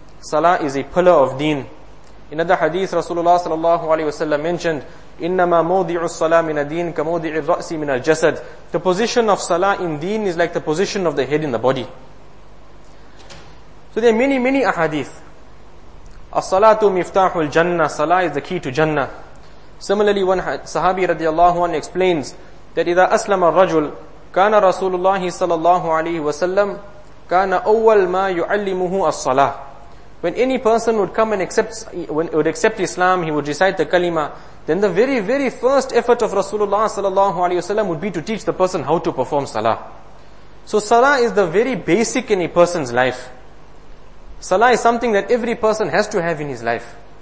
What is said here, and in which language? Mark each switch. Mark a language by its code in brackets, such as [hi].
[en] Salah is a pillar of deen. In another hadith, Rasulullah sallallahu alayhi wa sallam mentioned, [ar] Innama mawdi'u salah min ad-deen ka mawdi'u ra'si min al-jasad. [en] The position of salah in deen is like the position of the head in the body. So there are many, many ahadith. [ar] As-salatu miftahu al-jannah. [en] Salah is the key to Jannah. Similarly, one sahabi radiallahu anhu explains that [ar] إذا أسلم الرجل كان رسول الله صلى الله عليه وسلم كان أول ما يعلمه الصلاة. [en] When any person would come and accept, when would accept Islam, he would recite the kalima, then the very, very first effort of Rasulullah صلى الله عليه وسلم would be to teach the person how to perform salah. So salah is the very basic in a person's life. Salah is something that every person has to have in his life.